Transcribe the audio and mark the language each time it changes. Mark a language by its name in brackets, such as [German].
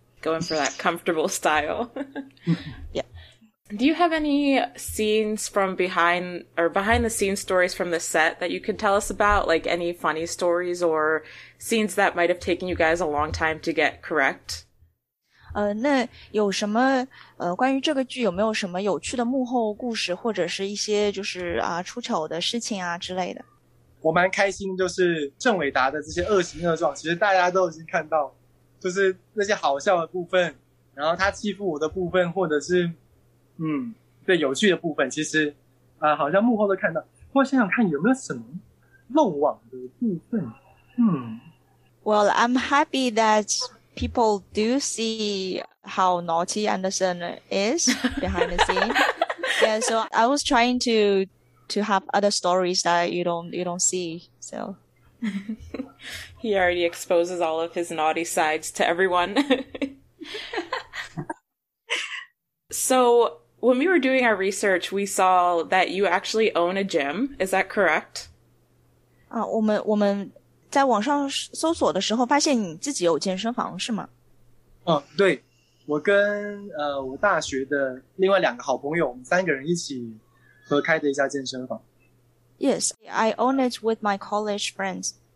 [English] Going for that comfortable style. Yeah. Do you have any scenes from behind or behind the scenes stories from the set that you could tell us about, like any funny stories or scenes that might have taken you guys a long time to get correct? [Chinese] 那有什么关于这个剧有没有什么有趣的幕后故事或者是一些就是出糗的事情啊之类的。我蛮开心，就是郑伟达的这些恶行恶状，其实大家都已经看到，就是那些好笑的部分，然后他欺负我的部分，或者是对有趣的部分，其实好像幕后都看到。我想想看有没有什么漏网的部分。 [English] Well, I'm happy that people do see how naughty Anderson is behind the scene. Yeah, so I was trying to have other stories that you don't see. So he already exposes all of his naughty sides to everyone. So when we were doing our research, we saw that you actually own a gym. Is that correct? [Chinese] 我们在网上搜索的时候发现你自己有健身房是吗？对，我跟我大学的另外两个好朋友，我们三个人一起合开的一家健身房。 [English] Yes, I own it with my college friends.